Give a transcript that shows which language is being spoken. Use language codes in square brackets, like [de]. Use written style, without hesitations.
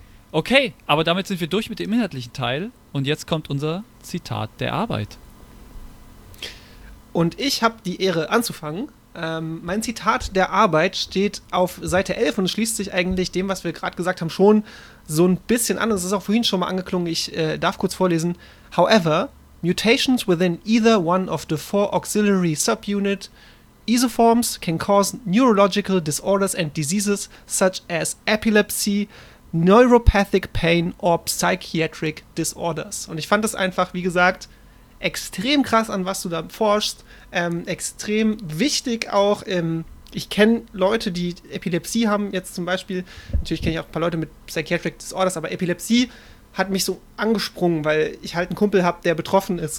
[de] Okay, aber damit sind wir durch mit dem inhaltlichen Teil. Und jetzt kommt unser Zitat der Arbeit. Und ich habe die Ehre anzufangen. Mein Zitat der Arbeit steht auf Seite 11 und schließt sich eigentlich dem, was wir gerade gesagt haben, schon so ein bisschen an. Es ist auch vorhin schon mal angeklungen, ich darf kurz vorlesen. [en] However, mutations within either one of the four auxiliary subunit isoforms can cause neurological disorders and diseases such as epilepsy, neuropathic pain or psychiatric disorders. [de] Und ich fand das einfach, wie gesagt, extrem krass, an was du da forschst. Extrem wichtig auch. Ich kenne Leute, die Epilepsie haben, jetzt zum Beispiel. Natürlich kenne ich auch ein paar Leute mit [en] Psychiatric Disorders, [de] aber Epilepsie hat mich so angesprungen, weil ich halt einen Kumpel habe, der betroffen ist.